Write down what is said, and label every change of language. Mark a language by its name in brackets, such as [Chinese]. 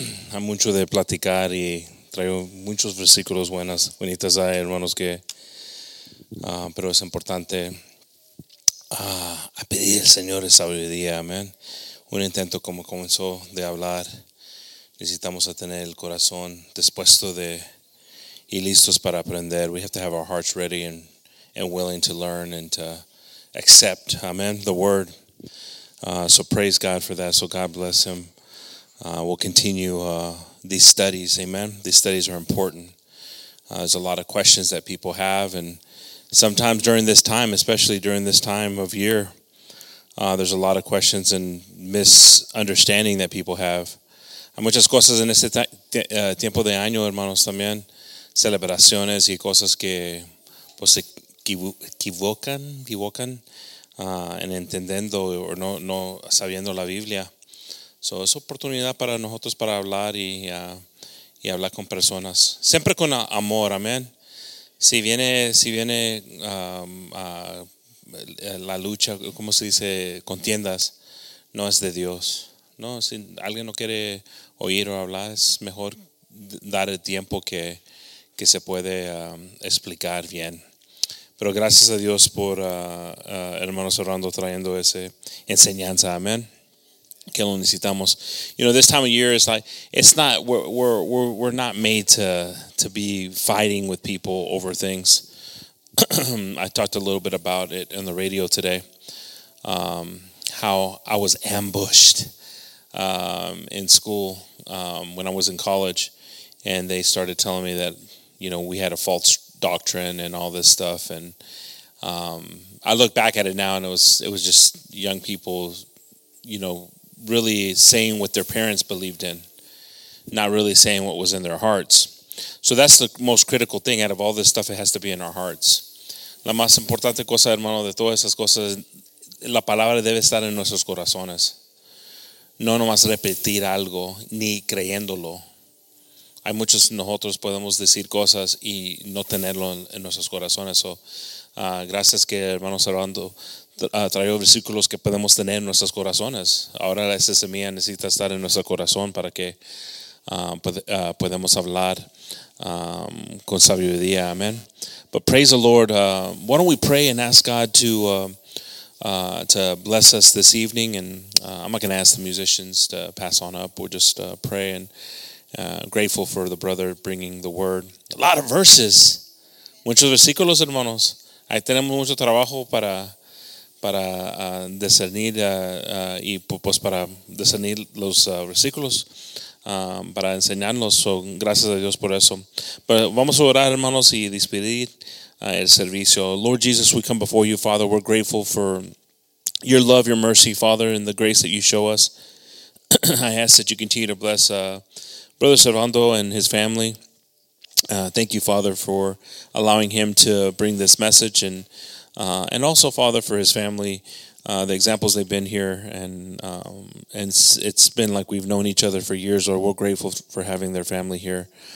[Spanish] Hay mucho de platicar y traigo muchos versículos buenas, bonitas ahí, hermanos, que pero es importante a pedir al Señor esa sabiduría, amén. Un intento como comenzó de hablar. Necesitamos a tener el corazón dispuesto de y listos para aprender. [English] We have to have our hearts ready and willing to learn and to accept, amen, the word. So praise God for that. So God bless him. We'll continue these studies, amen. These studies are important. There's a lot of questions that people have, and sometimes during this time, especially during this time of year, There's a lot of questions and misunderstanding that people have. [Spanish] Hay muchas cosas en este tiempo de año, hermanos, también. Celebraciones y cosas que pues, se equivocan en entendiendo o no sabiendo la Biblia. So, es oportunidad para nosotros para hablar y hablar con personas. Siempre con amor, amén. Si viene la lucha, ¿cómo se dice? Contiendas, no es de Dios. No, si alguien no quiere oír o hablar, es mejor dar el tiempo que se puede explicar bien. Pero gracias a Dios por hermano Servando trayendo esa enseñanza, amén. Que lo necesitamos. [English] You know, this time of year, we're not made to be fighting with people over things. I talked a little bit about it on the radio today, how I was ambushed in school when I was in college, and they started telling me that, you know, we had a false doctrine and all this stuff, and I look back at it now, and it was just young people, you know, really saying what their parents believed in, not really saying what was in their hearts. So that's the most critical thing. Out of all this stuff, it has to be in our hearts. [Spanish] La más importante cosa, hermano, de todas esas cosas, la palabra debe estar en nuestros corazones. No nomás repetir algo, ni creyéndolo. Hay muchos de nosotros podemos decir cosas y no tenerlo en nuestros corazones. So, gracias que hermano Servando trajo versículos que podemos tener en nuestros corazones. Ahora esa semilla necesita estar en nuestro corazón para que podamos hablar con sabiduría. [English] Amen. But praise the Lord. Why don't we pray and ask God to bless us this evening? And I'm not going to ask the musicians to pass on up. We'll just pray and grateful for the brother bringing the word. A lot of verses. [Spanish] Muchos versículos, hermanos. Ahí tenemos mucho trabajo para discernir y pues para discernir los versículos para enseñarlos. So, gracias a Dios por eso. Pero vamos a orar, hermanos, y despedir el servicio. [English] Lord Jesus, we come before you, Father. We're grateful for your love, your mercy, Father, and the grace that you show us. I ask that you continue to bless Brother Servando and his family. Thank you, Father, for allowing him to bring this message, and also, Father, for his family, the examples they've been here, and it's been like we've known each other for years, or we're grateful for having their family here.